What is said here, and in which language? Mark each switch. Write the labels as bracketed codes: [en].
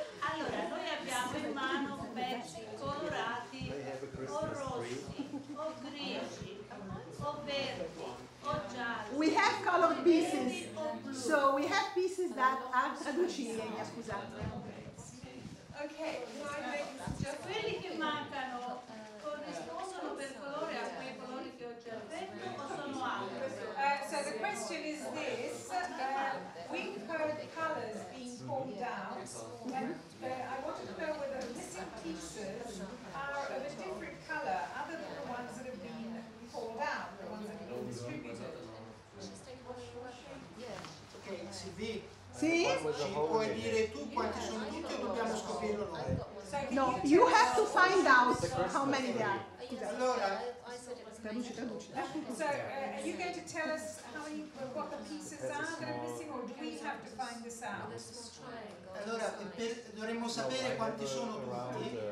[it] Allora, noi abbiamo in mano pezzi colorati o rossi, o grigi, o verdi, o gialli. [en] We have colored pieces, so we have pieces that are [it] traducibili, scusate. [en] Ok, [it] quelli che mancano corrispondono per colore a quei colori che ho già detto o sono altri? [en] So the question is this, we've heard colors being called out, and I wanted to know whether the missing pieces are of a different color other than the ones that have been called out, the ones that have been distributed. Ok, Silvi. [it] Sì? Ci puoi dire tu quanti sono tutti o dobbiamo scoprirlo noi? [en] No, you have to find out how many there are. [it] Allora, traduci, traduci. [en] So, are you going to tell us how many, what the pieces are that are missing or do we have to find this out? [it] Allora, dovremmo sapere quanti sono tutti.